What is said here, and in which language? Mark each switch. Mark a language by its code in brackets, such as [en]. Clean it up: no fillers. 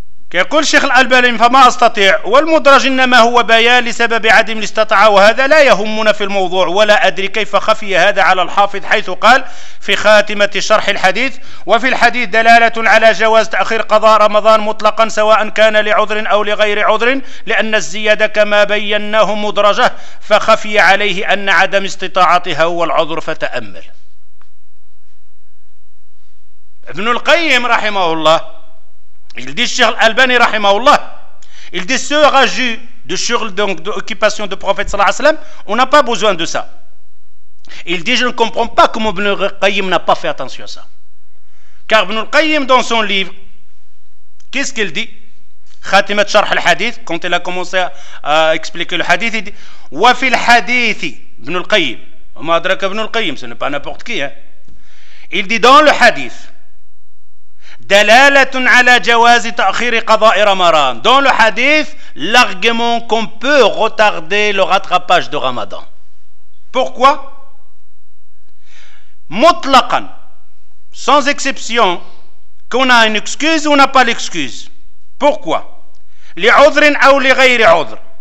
[ar] كيقول الشيخ الألباني فما استطيع، والمدرج انما هو بيان لسبب عدم الاستطاعه، وهذا لا يهمنا في الموضوع، ولا ادري كيف خفي هذا على الحافظ حيث قال في خاتمه شرح الحديث: وفي الحديث دلاله على جواز تاخير قضاء رمضان مطلقا سواء كان لعذر او لغير عذر، لان الزياده كما بيناه مدرجه، فخفي عليه ان عدم استطاعتها هو العذر فتامل. ابن القيم رحمه الله [fr] il dit Cheikh Al-Albani rahimahullah, il dit ce rajout de shughl, donc d'occupation de prophète sallallahu alayhi wa sallam, on n'a pas besoin de ça. Il dit je ne comprends pas comment Ibn al-Qayyim n'a pas fait attention à ça. Car Ibn al-Qayyim dans son livre, qu'est-ce qu'il dit Khatimat Sharh al-Hadith, quand il a commencé à expliquer le hadith, il dit [ar] wa fil hadithi Ibn al-Qayyim, [fr] wa ma adraka Ibn al-Qayyim, ce n'est pas n'importe qui, hein. Il dit dans le hadith [ar] دلاله على جواز تاخير قضاء رمضان. [fr] Dans le hadith, l'argument qu'on peut retarder le rattrapage de Ramadan. Pourquoi? مطلقا, sans exception, qu'on a une excuse ou on n'a pas l'excuse. Pourquoi? [ar] لعذر او لغير عذر.